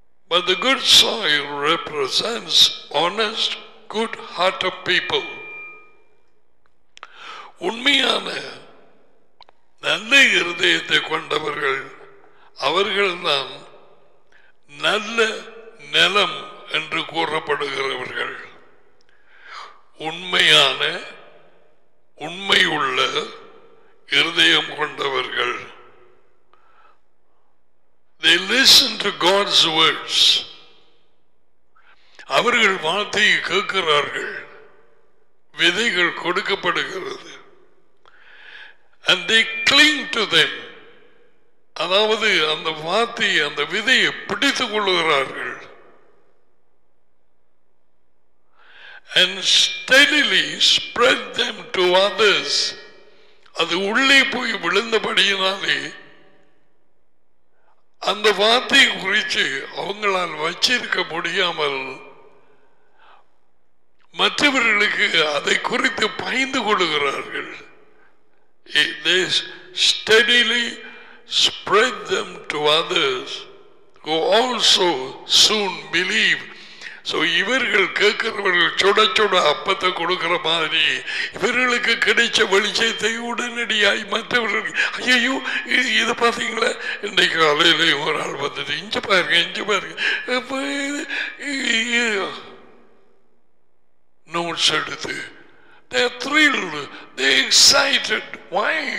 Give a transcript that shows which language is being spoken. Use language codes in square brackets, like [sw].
[en] But the good soil represents honest, good-hearted people. [ta] உண்மையான நல்ல இருதயத்தை கொண்டவர்கள் அவர்கள்தான் நல்ல நிலம் என்று கூறப்படுகிறவர்கள். உண்மையான உண்மையுள்ள இருதயம் கொண்டவர்கள் [en] They listen to God's words. [ta] அவர்கள் வார்த்தையை கேட்கிறார்கள். விதைகள் கொடுக்கப்படுகிறது. [en] And they cling to them. [ta] அதாவது அந்த வார்த்தையை அந்த விதையை பிடித்துக் கொள்ளுகிறார்கள். [en] and steadily spread them to others. [ta] அது உள்ளே போய் விழுந்தபடியினாலே அந்த வார்த்தையை குறித்து அவங்களால் வச்சிருக்க முடியாமல் மற்றவர்களுக்கு அதை குறித்து பயந்து கொள்கிறார்கள். [en] They steadily spread them to others who also soon believe. [ta] So இவர்கள் கேட்கிறவர்கள் சுட சுட அப்பத்தை கொடுக்கிற மாதிரி இவர்களுக்கு கிடைச்ச வெளிச்சத்தை உடனடியாய் மற்றவர்கள் ஐயோ இது பார்த்தீங்களா இன்றைக்கு காலையிலேயும் ஒரு ஆள் வந்துட்டு இஞ்சி பாருங்க இஞ்சி பாருங்க நோட்ஸ் எடுத்து [en] They are thrilled, they are excited. Why?